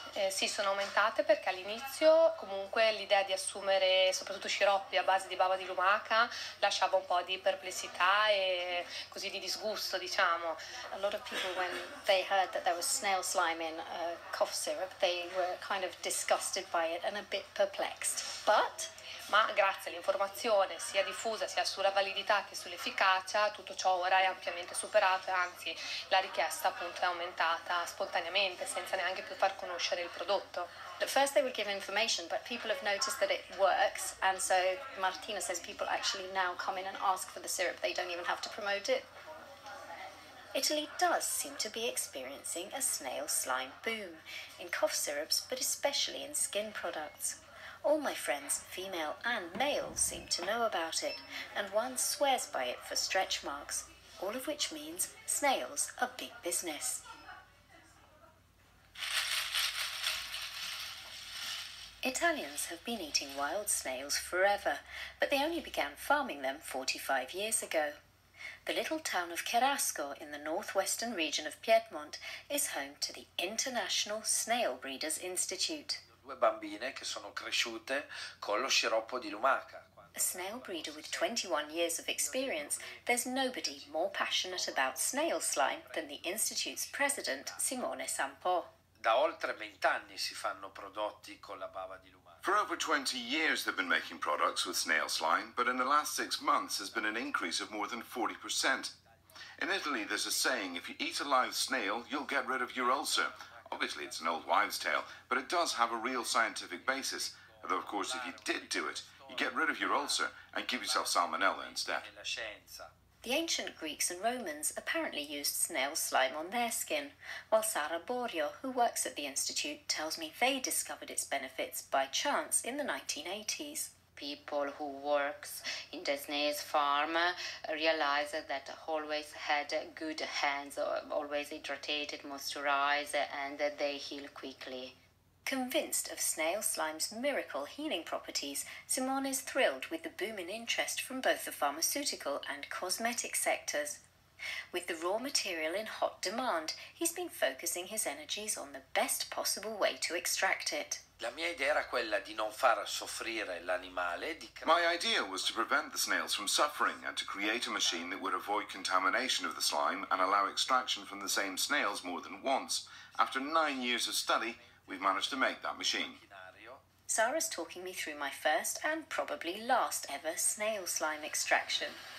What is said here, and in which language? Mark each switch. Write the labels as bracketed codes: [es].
[it] Sì, sono aumentate perché all'inizio comunque l'idea di assumere soprattutto sciroppi a base di bava di lumaca lasciava un po' di perplessità e così di disgusto, diciamo. [en] A lot of people, when they heard that there was snail slime in cough syrup, they were kind of disgusted by it and a bit perplexed. But... [it] Ma grazie all'informazione sia diffusa sia sulla validità che sull'efficacia, tutto ciò ora è ampiamente superato e anzi la richiesta appunto è aumentata spontaneamente senza neanche più far conoscere il prodotto. [en] At first they would give information, but people have noticed that it works, and so Martina says people actually now come in and ask for the syrup, they don't even have to promote it. Italy does seem to be experiencing a snail slime boom in cough syrups, but especially in skin products. All my friends, female and male, seem to know about it, and one swears by it for stretch marks, all of which means snails are big business. Italians have been eating wild snails forever, but they only began farming them 45 years ago. The little town of Cherasco in the northwestern region of Piedmont is home to the International Snail Breeders Institute. [it] Due bambine che sono cresciute con lo sciroppo di lumaca. [en] A snail breeder with 21 years of experience, there's nobody more passionate about snail slime than the Institute's president, Simone Sampo. [it] Da oltre 20 anni si fanno prodotti con la bava di lumaca. [en] For over 20 years they've been making products with snail slime, but in the last 6 months there's been an increase of more than 40%. In Italy there's a saying, if you eat a live snail, you'll get rid of your ulcer. Obviously, it's an old wives' tale, but it does have a real scientific basis. Although, of course, if you did do it, you get rid of your ulcer and give yourself salmonella instead. The ancient Greeks and Romans apparently used snail slime on their skin, while Sara Borio, who works at the Institute, tells me they discovered its benefits by chance in the 1980s. People who works in the snail farm realize that always had good hands, always hydrated, moisturized, and they heal quickly. Convinced of snail slime's miracle healing properties, Simone is thrilled with the boom in interest from both the pharmaceutical and cosmetic sectors. With the raw material in hot demand, he's been focusing his energies on the best possible way to extract it. [it] La mia idea era quella di non far soffrire l'animale. [en] My idea was to prevent the snails from suffering and to create a machine that would avoid contamination of the slime and allow extraction from the same snails more than once. After 9 years of study, we've managed to make that machine. Sara's talking me through my first and probably last ever snail slime extraction.